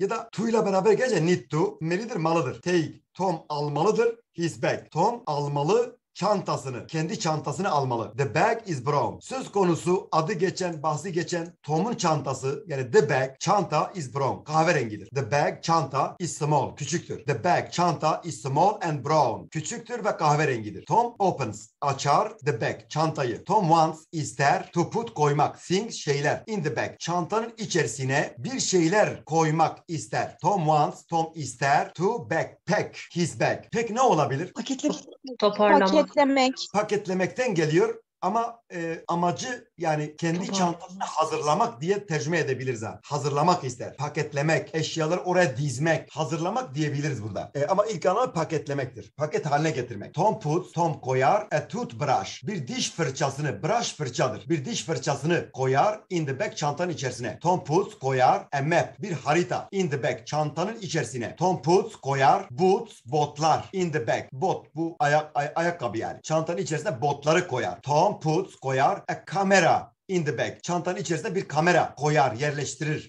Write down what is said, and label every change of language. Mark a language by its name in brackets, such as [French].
[Turkish] Ya da to ile beraber gelince [English] need to. [Turkish] Melidir, malıdır. [English] Take. [Turkish] Tom almalıdır. [English] His bag. [Turkish] Tom almalı. Çantasını, kendi çantasını almalı. [English] The bag is brown. [Turkish] Söz konusu, adı geçen, bahsi geçen Tom'un çantası, yani [English] the bag, [Turkish] çanta [English] is brown. [Turkish] Kahverengidir. [English] The bag, çanta is small. [Turkish] Küçüktür. [English] The bag, çanta is small and brown. [Turkish] Küçüktür ve kahverengidir. [English] Tom opens, [Turkish] açar [English] the bag, [Turkish] çantayı. [English] Tom wants, [Turkish] ister [English] to put, [Turkish] koymak, [English] things, [Turkish] şeyler [English] in the bag. [Turkish] Çantanın içerisine bir şeyler koymak ister. [English] Tom wants, [Turkish] Tom ister [English] to backpack his bag. [Turkish] Pack ne olabilir? Toparlamak. Paketlemekten geliyor ama amacı yani kendi çantasını hazırlamak diye tercüme edebiliriz ha. Hazırlamak ister. Paketlemek, eşyaları oraya dizmek, hazırlamak diyebiliriz burada. Ama ilk anlamı paketlemektir. Paket haline getirmek. [English] Tom puts, [Turkish] Tom koyar [English] a toothbrush. [Turkish] Bir diş fırçasını, brush fırçadır. Bir diş fırçasını koyar [English] in the bag [Turkish] çantanın içerisine. [English] Tom puts, koyar a map. [Turkish] Bir harita [English] in the bag [Turkish] çantanın içerisine. [English] Tom puts, [Turkish] koyar boots, botlar [English] in the bag. [Turkish] Bot, bu ayakkabı yani. Çantanın içerisine botları koyar. [English] Tom puts, [Turkish] koyar [English] a camera in the bag. [Turkish] Çantanın içerisine bir kamera koyar, yerleştirir.